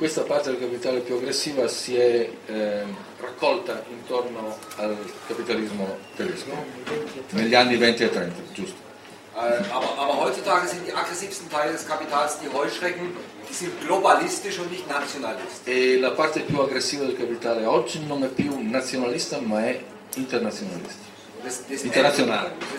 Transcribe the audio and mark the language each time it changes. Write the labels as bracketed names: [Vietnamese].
[Italian] E questa parte del capitale più aggressiva si è raccolta intorno al capitalismo tedesco negli anni 20 e 30, giusto? [German] Aber heutzutage sind die aggressivsten Teile des Kapitals die Heuschrecken, die sind globalistisch und nicht nationalistisch. [Italian] E la parte più aggressiva del capitale oggi non è più nazionalista, ma è internazionalista.